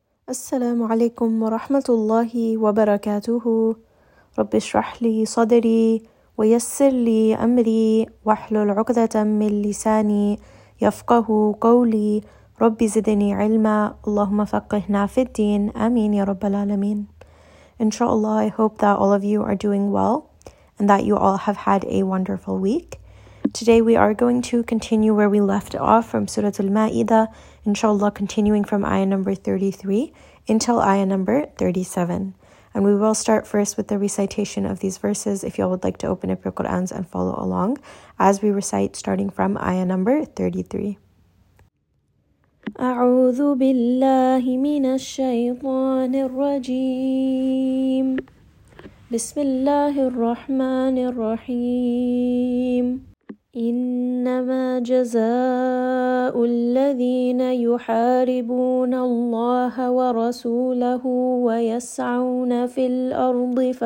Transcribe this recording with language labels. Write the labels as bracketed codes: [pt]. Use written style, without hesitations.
[ar] السلام عليكم ورحمة الله وبركاته. رب اشرح لي صدري ويسر لي أمري واحلل عقدة من لساني يفقه قولي. رب زدني علما، اللهم فقهنا في الدين، آمين يا رب العالمين. إن شاء الله. [en] I hope that all of you are doing well and that you all have had a wonderful week. Today we are going to continue where we left off from Surah Al-Ma'idah, inshallah continuing from ayah number 33 until ayah number 37. And we will start first with the recitation of these verses if y'all would like to open up your Qur'ans and follow along as we recite starting from ayah number 33. [ar] أعوذ بالله من الشيطان الرجيم بسم الله الرحمن الرحيم إنما جزاء الذين يحاربون الله ورسوله ويسعون في الأرض